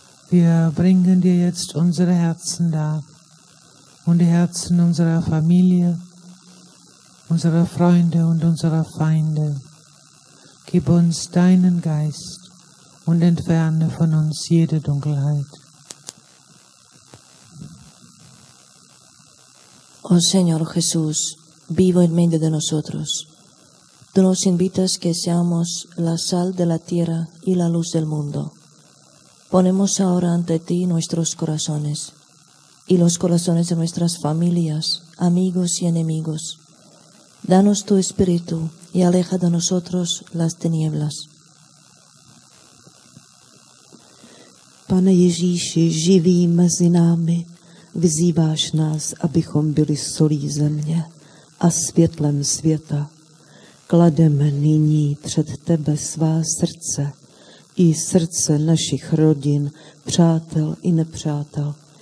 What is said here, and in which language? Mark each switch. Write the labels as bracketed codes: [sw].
[de] Wir bringen dir jetzt unsere Herzen da und die Herzen unserer Familie, unserer Freunde und unserer Feinde. Gib uns deinen Geist und entferne von uns jede Dunkelheit. [es] Oh Señor Jesús, vivo en medio de nosotros, tú nos invitas que seamos la sal de la tierra y la luz del mundo. Ponemos ahora ante ti nuestros corazones y los corazones de nuestras familias, amigos y enemigos. Danos tu espíritu y aleja de nosotros las tinieblas. [cs] Pane Ježíši, živí mezi námi. Vyzýváš nás, abychom byli solí země a světlem světa. Klademe nyní před tebe svá srdce i srdce našich rodin, přátel i nepřátel.